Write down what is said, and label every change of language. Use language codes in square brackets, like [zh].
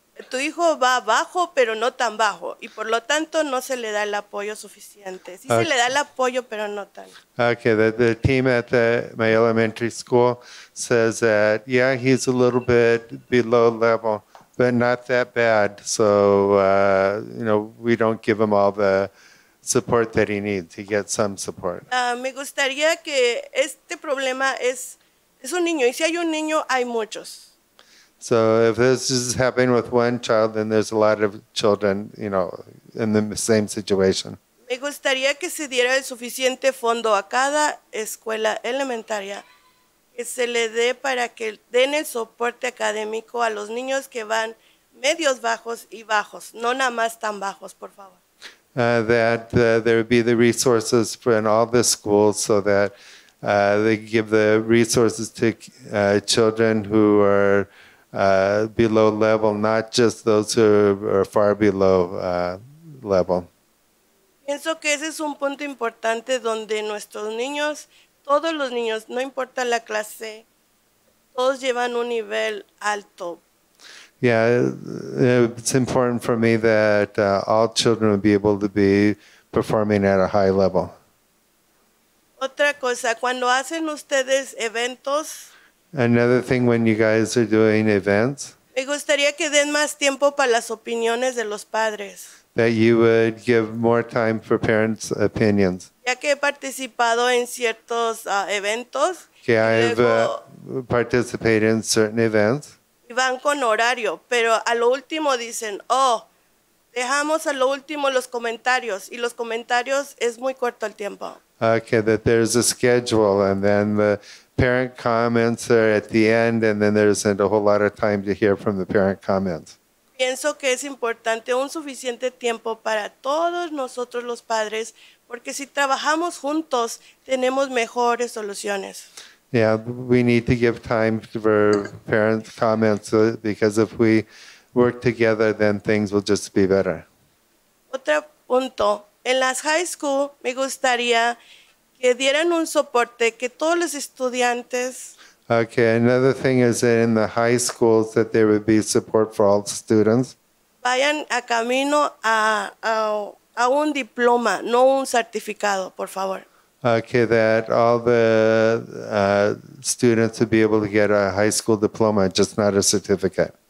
[es] Tu hijo va bajo, pero no tan bajo. Y por lo tanto, no se le da el apoyo suficiente. Sí, okay. Se le da el apoyo, pero no tan. [en] Okay, the team at my elementary school says that, yeah, he's a little bit below level, but not that bad. So, you know, we don't give him all the support that he needs. He gets some support. [es] Me gustaría que este problema es un niño. Y si hay un niño, hay muchos. [en] So if this is happening with one child, then there's a lot of children, you know, in the same situation. [es] Me gustaría que se diera el suficiente fondo a cada escuela elementaria, que se le dé para que den el soporte académico a los niños que van medios bajos y bajos, no nada más tan bajos, por favor. [en] That there would be the resources for in all the schools so that they give the resources to children who are below level, not just those who are far below level. [es] Pienso que ese es un punto importante donde nuestros niños, todos los niños, no importa la clase, todos llevan un nivel alto. [en] Yeah, it's important for me that all children would be able to be performing at a high level. [es] Otra cosa, cuando hacen ustedes eventos. [en] Another thing when you guys are doing events. [es] Me gustaría que den más tiempo para las opiniones de los padres. [en] That you would give more time for parents' opinions. [es] Ya que he participado en ciertos eventos. Que [en] I've participated in certain events. [es] Y van con horario, pero a lo último dicen, oh, dejamos a lo último los comentarios. Y los comentarios es muy corto el tiempo. [en] Okay, that there's a schedule and then the parent comments are at the end and then there isn't a whole lot of time to hear from the parent comments. [es] Pienso que es importante un suficiente tiempo para todos nosotros los padres, porque si trabajamos juntos, tenemos mejores soluciones. [en] Yeah, we need to give time for parents' comments because if we work together, then things will just be better. [es] Otro punto. En las high school, me gustaría que dieran un soporte que todos los estudiantes. [en] Okay, another thing is that in the high schools that there would be support for all students. [es] Vayan a camino a un diploma, no un certificado, por favor. [en] Okay, that all the students would be able to get a high school diploma, just not a certificate.